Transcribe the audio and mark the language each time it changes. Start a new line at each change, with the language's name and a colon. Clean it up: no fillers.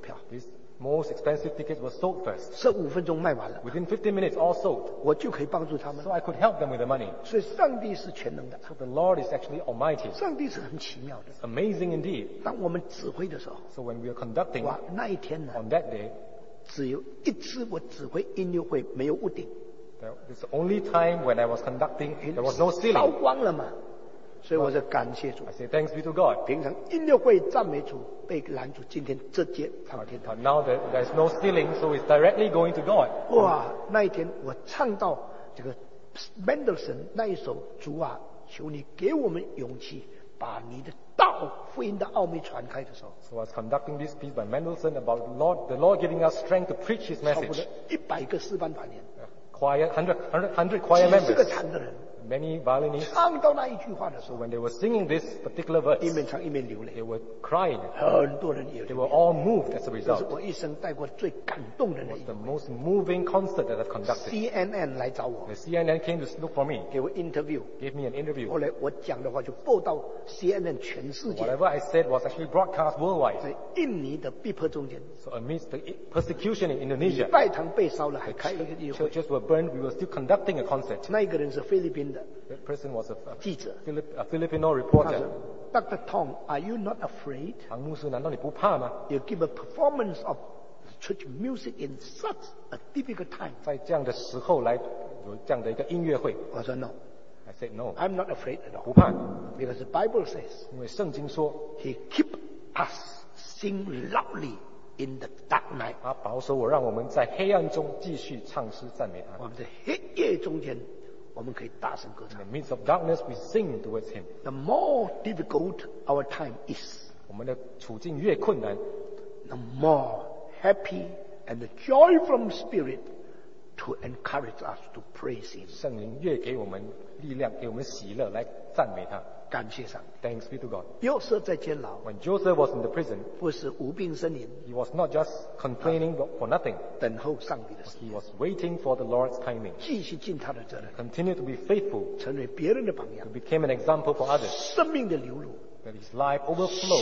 English: These most expensive tickets were sold first. Within 15 minutes, all sold. So I could help them with the money. So the Lord is actually almighty. Amazing indeed. So when we are conducting,
Chinese: 哇，那一天呢,
English: on that day,
Chinese: 只有一次我指挥音乐会没有屋顶,
English: this is the only time when I was conducting, there was no ceiling.
Chinese: 烧光了嘛。所以我就感谢主。
English: I say thanks be to God.
Chinese: 平常音乐会赞美主被拦住，今天直接上天堂。
English: Now that there's no ceiling, so it's directly going to God.
Chinese: 哇，那一天我唱到这个 Mendelssohn 那一首主啊，求你给我们勇气，把你的道福音的奥秘传开的时候。
English: So I was conducting this piece by Mendelssohn about the Lord giving us strength to preach His message.
Chinese: 差不多100个四班团员。
English: 100 choir members.
Chinese: 几十个弹的人。
English: Many violinists,
Chinese: 唱到那一句话的时候,
English: so when they were singing this particular verse,
Chinese: 一面唱一面流泪,
English: they were crying.
Chinese: 很多人也流泪,
English: they were all moved as a result.
Chinese: 这是我一生带过最感动的那一
English: 次。 The most moving concert that I've conducted.
Chinese: CNN 来找我,
English: the CNN came to look for me,
Chinese: 给我 interview,
English: gave me an interview.
Chinese: 后来我讲的话就播到 CNN 全世界。
English: Whatever I said was actually broadcast worldwide.
Chinese: 在印尼的逼迫中间,
English: so amidst the persecution in Indonesia,
Chinese: 礼拜堂被烧了还开一个音乐会,
English: churches were burned, we were still conducting a concert.
Chinese: 那一个人是菲律宾的,
English: that person was a Filipino reporter.
Chinese: 他说,
English: Dr. Tong, are you not afraid?
Chinese: 唐牧师, 难道你不怕吗?
English: You give a performance of church music in such a difficult time.
Chinese: 在这样的时候来有这样的一个音乐会。我说,
English: no. I said no. I'm not afraid at all.
Chinese: 不怕。
English: Because the Bible says,
Chinese: 因为圣经说,
English: He keep us sing loudly in the dark night.
Chinese: 他保守我，让我们在黑暗中继续唱诗赞美他。我们在黑夜中间我们可以大声歌唱。
English: In the midst of darkness, we sing towards Him. The more difficult our time is,
Chinese: 我们的处境越困难,
English: the more happy and the joyful spirit to encourage us to praise Him.
Chinese: 圣灵越给我们力量，给我们喜乐来赞美他。感谢上帝。
English: Thanks be to God.
Chinese: 约瑟在监牢,
English: when Joseph was in the prison,
Chinese: 不是无病呻吟,
English: he was not just complaining for nothing,
Chinese: 等候上帝的时
English: 间, he was waiting for the Lord's timing,
Chinese: 继续尽他的责任,
English: continue to be faithful,
Chinese: 成为别人的榜样,
English: to became an example for others,
Chinese: 生命的流露,
English: that his life overflowed,